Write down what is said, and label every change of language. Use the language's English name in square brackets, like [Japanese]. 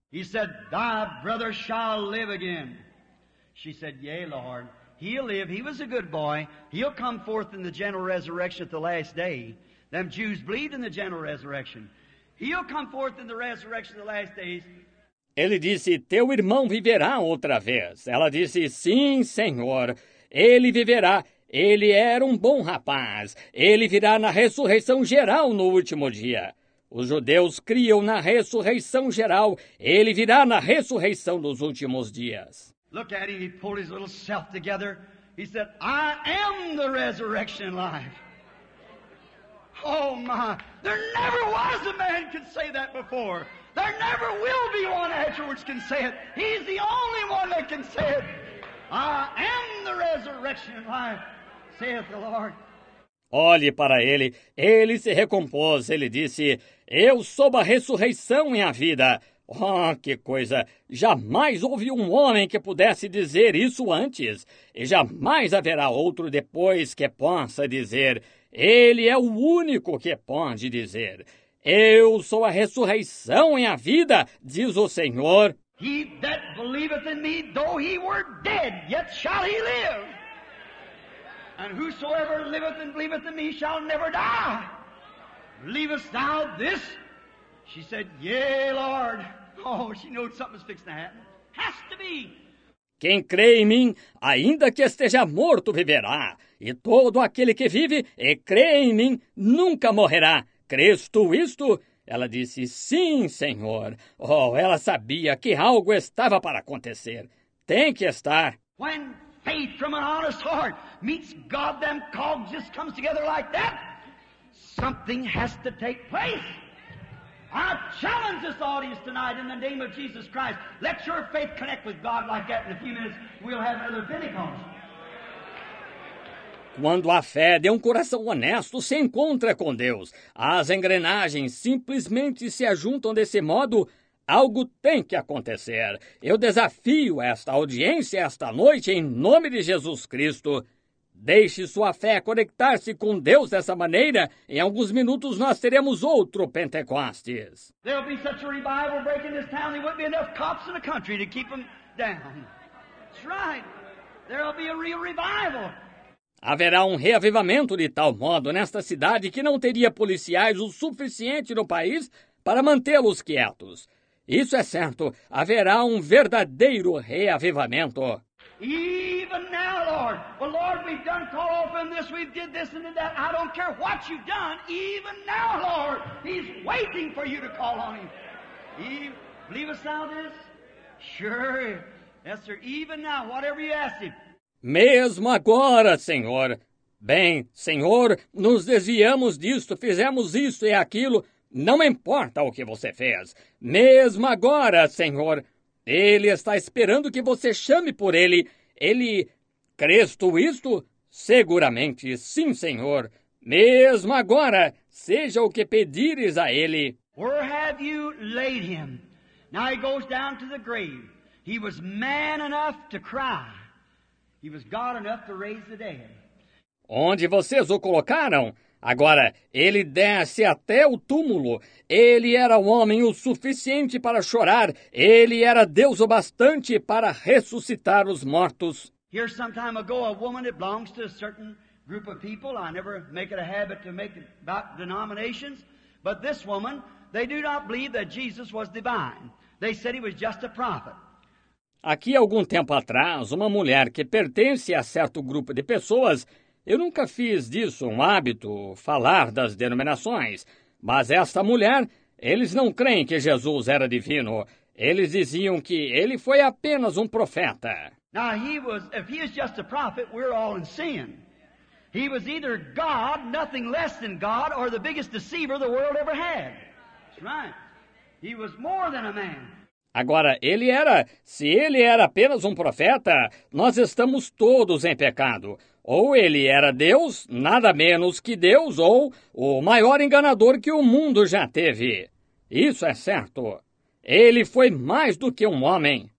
[English] He said, thy brother shall live again. She said, yea, Lord, he'll live. He was a good boy. He'll come forth in the general resurrection at the last day. Them Jews believed in the general resurrection. He'll come forth in the resurrection of the last days. [Portuguese] Ele disse, teu irmão viverá outra vez. Ela disse, sim, Senhor, ele viverá. Ele era um bom rapaz. Ele virá na ressurreição geral no último dia. Os judeus criam na ressurreição geral. Ele virá na ressurreição dos últimos dias. [English] Look at him, he pulled his little self together. He said, I am the resurrection life. Oh my, there never was a man could say that before. There never will be one afterwards can say it. He's the only one that can say it. I am the resurrection life, saith the Lord. [Portuguese] Olhe para ele. Ele se recompôs. Ele disse, eu sou a ressurreição e a vida. Oh, que coisa! Jamais houve um homem que pudesse dizer isso antes. E jamais haverá outro depois que possa dizer. Ele é o único que pode dizer. Eu sou a ressurreição e a vida, diz o Senhor. [English] He that believeth in me, though he were dead, yet shall he live. And whosoever liveth and believeth in me shall never die. Believest thou this? She said, yea, Lord. Oh, she knows something's fixing to happen. Has to be. [Portuguese] Quem crê em mim, ainda que esteja morto, viverá. E todo aquele que vive e crê em mim, nunca morrerá. Crês tu isto? Ela disse, sim, Senhor. Oh, ela sabia que algo estava para acontecer. Tem que estar. [English] When faith from an honest heart meets God, them cogs just comes together like that. Something has to take place. I challenge this audience tonight in the name of Jesus Christ. Let your faith connect with God like that. In a few minutes, we'll have another Pentecost. [Portuguese] Quando a fé de um coração honesto se encontra com Deus, as engrenagens simplesmente se ajuntam desse modo, algo tem que acontecer. Eu desafio esta audiência esta noite em nome de Jesus Cristo. Deixe sua fé conectar-se com Deus dessa maneira. Em alguns minutos nós teremos outro Pentecostes. [English] There'll be such a revival breaking this town, there wouldn't be enough cops in the country to keep them down. That's right. There'll be a real revival. [Portuguese] Haverá um reavivamento de tal modo nesta cidade que não teria policiais o suficiente no país para mantê-los quietos. Isso é certo. Haverá um verdadeiro reavivamento. [English] Even now, Lord. Well, Lord, we've done call off in this, we've did this and that. I don't care what you've done. Even now, Lord, he's waiting for you to call on him. Believe us now this? Sure. Yes, sir. Even now, whatever you ask him. [Portuguese] Mesmo agora, Senhor. Bem, Senhor, nos desviamos disto, fizemos isto e aquilo. Não importa o que você fez. Mesmo agora, Senhor. Ele está esperando que você chame por ele. Ele... Crês tu isto? Seguramente, sim, Senhor. Mesmo agora, seja o que pedires a ele. [English] Where have you laid him? Now he goes down to the grave. He was man enough to cry. He was God enough to raise the dead. [Portuguese] Onde vocês o colocaram? Agora, ele desce até o túmulo. Ele era um homem o suficiente para chorar. Ele era Deus o bastante para ressuscitar os mortos. [English] Here some time ago, a woman that belongs to a certain group of people. I never make it a habit to make it about denominations. But this woman, they do not believe that Jesus was divine. They said he was just a prophet. [Portuguese] Aqui, algum tempo atrás, uma mulher que pertence a certo grupo de pessoas, eu nunca fiz disso um hábito, falar das denominações, mas esta mulher, eles não creem que Jesus era divino. Eles diziam que ele foi apenas um profeta. [English] Now he was, if he is just a prophet, we're all in sin. He was either God, nothing less than God, or the biggest deceiver the world ever had. That's right. He was more than a man. [Portuguese] Agora, ele era, se ele era apenas um profeta, nós estamos todos em pecado. Ou ele era Deus, nada menos que Deus, ou o maior enganador que o mundo já teve. Isso é certo. Ele foi mais do que um homem.